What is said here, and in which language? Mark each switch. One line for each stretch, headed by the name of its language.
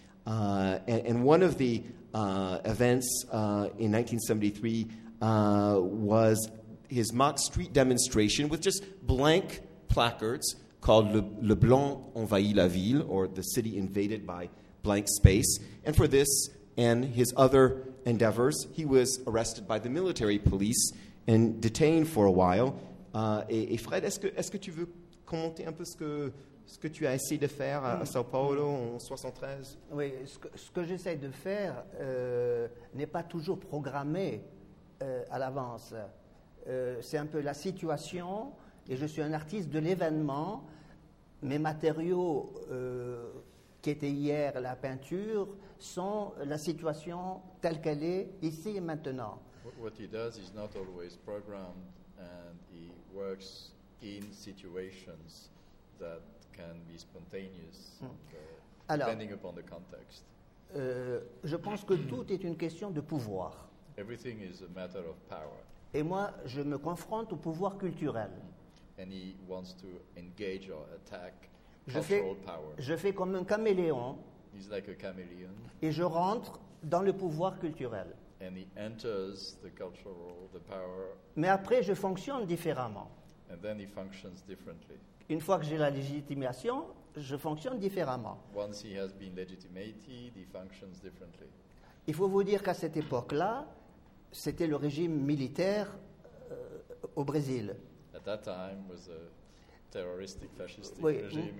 English: And one of the events in 1973 was his mock street demonstration with just blank placards called Le Blanc Envahit la Ville, or The City Invaded by Blank Space. And for this and his other endeavors, he was arrested by the military police and detained for a while.
French: Et Fred, est-ce que tu veux commenter un peu ce que tu as essayé de faire à Sao Paulo en 73? Oui, ce que j'essaie de faire n'est pas toujours programmé à l'avance. C'est un peu la situation, et je suis un artiste de l'événement. Mes matériaux, qui étaient hier la peinture, sont la situation telle qu'elle est ici et maintenant.
English: What he does is not always programmed, and he works in situations that can be spontaneous,
French: Alors,
English: depending upon the context.
French: Je pense que tout est une question de pouvoir.
English: Everything is a matter of power.
French: Et moi, je me confronte au pouvoir culturel.
English: And he wants to engage or attack power.
French: Je fais comme un caméléon.
English: He's like a chameleon.
French: Et je rentre dans le pouvoir culturel.
English: And he enters the cultural, the power.
French: Mais après, je fonctionne différemment.
English: and then he functions differently.
French: Une fois que j'ai la légitimation, je fonctionne différemment.
English: Once he has been legitimated, he functions differently.
French: Il faut vous dire qu'à cette époque-là, c'était le régime militaire au Brésil.
English: At that time was a terroristic, fascistic oui, regime.